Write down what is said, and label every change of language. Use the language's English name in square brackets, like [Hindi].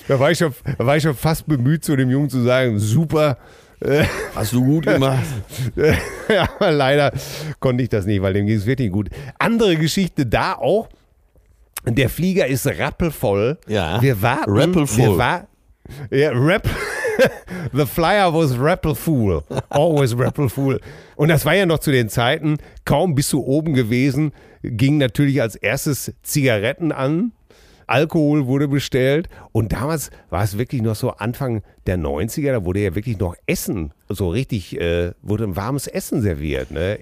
[German] Da war ich schon fast bemüht, zu dem Jungen zu sagen, super. Hast du gut gemacht. Ja, leider konnte ich das nicht, weil dem ging es wirklich gut. Andere Geschichte da auch. Der Flieger ist rappelvoll. Ja, wir warten, rappelvoll. [English] The flyer was rappelfull. Always rappelfull. [German] Und das war ja noch zu den Zeiten, kaum bist du oben gewesen, ging natürlich als Erstes Zigaretten an. Alkohol wurde bestellt und damals war es wirklich noch so Anfang der 90er, da wurde ja wirklich noch Essen, so richtig, wurde ein warmes Essen serviert, ne?